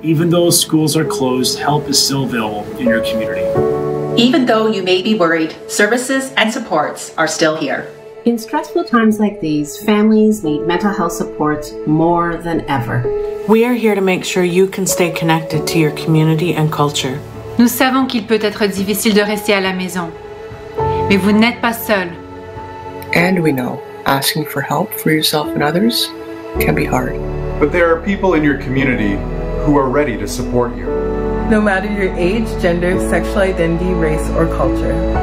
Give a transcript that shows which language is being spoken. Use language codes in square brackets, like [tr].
[en] Even though schools are closed, help is still available in your community. Even though you may be worried, services and supports are still here. In stressful times like these, families need mental health supports more than ever. We are here to make sure you can stay connected to your community and culture. [fr] Nous savons qu'il peut être difficile de rester à la maison, mais vous n'êtes pas seul. [en] And we know asking for help for yourself and others can be hard. But there are people in your community who are ready to support you. No matter your age, gender, sexual identity, race, or culture.